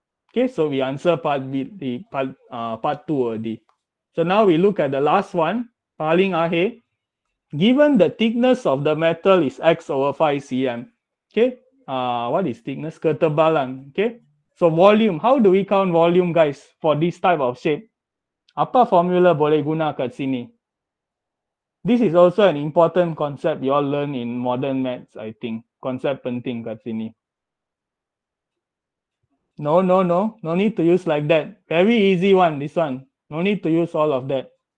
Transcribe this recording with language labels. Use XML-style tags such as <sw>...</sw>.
<en>Okay, so we answer part B, the part, part 2 already. So now we look at the last one,</en> <ms>paling akhir.</ms> <en>Given the thickness of the metal is x over 5 cm. Okay, what is thickness? Ketebalan. Okay, so volume. How do we count volume, guys, for this type of shape?</en> <ms>Apa formula boleh guna kat sini?</ms> <en>This is also an important concept you all learn in modern maths, I think.</en> <ms>Concept penting kat sini.</ms> <en>No, no, no. No need to use like that. Very easy one, this one. No need to use all of that.</en>